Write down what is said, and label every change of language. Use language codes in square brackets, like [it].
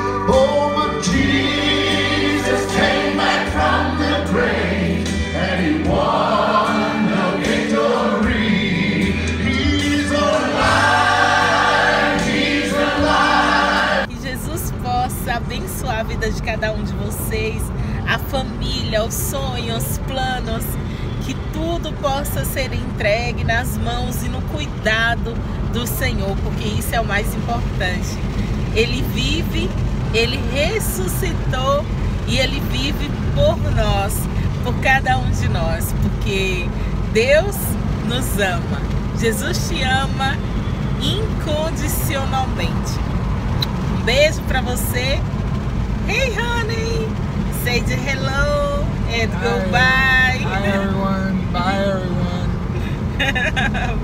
[en] Oh, my Jesus came back from the grave, and he won the victory. He's alive, he's alive. [pt] Que Jesus possa abençoar a vida de cada um de vocês, a família, os sonhos, os planos. Que tudo possa ser entregue nas mãos e no cuidado do Senhor, porque isso é o mais importante. Ele vive, Ele ressuscitou e Ele vive por nós, por cada um de nós, porque Deus nos ama. Jesus te ama incondicionalmente. Um beijo para você. [en] Hey, honey! Say the hello and goodbye. Bye, everyone. Bye, everyone.